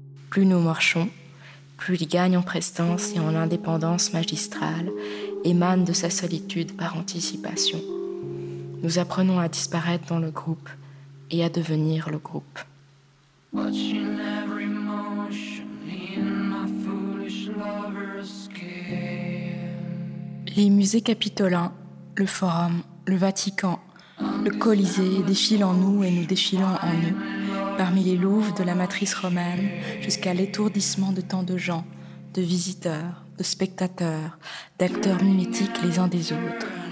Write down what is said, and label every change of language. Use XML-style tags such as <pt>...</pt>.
<fr>Plus nous marchons, plus il gagne en prestance et en indépendance magistrale, émane de sa solitude par anticipation. Nous apprenons à disparaître dans le groupe et à devenir le groupe.</fr> <en>Watching every motion in my foolish lover's game.</en> <fr>Les musées capitolins, le forum, le Vatican, le Colisée défilent en nous et nous défilons en eux. Parmi les louves de la matrice romaine, jusqu'à l'étourdissement de tant de gens, de visiteurs, de spectateurs, d'acteurs mimétiques les uns des autres.</fr>